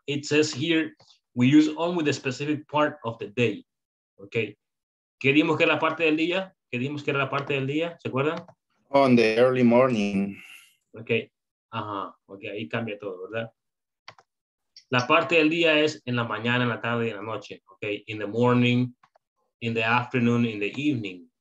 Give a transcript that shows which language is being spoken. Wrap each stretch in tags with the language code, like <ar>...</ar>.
<en>It says here, we use on with a specific part of the day. Okay.</en> <es>¿Qué dijimos que era la parte del día? ¿Qué dijimos que era la parte del día? ¿Se acuerdan?</es> <en>On the early morning.</en> <es>Okay. Ajá. Okay, ahí cambia todo, ¿verdad? La parte del día es en la mañana, en la tarde y en la noche.</es> <en>Okay. In the morning, in the afternoon, in the evening.</en>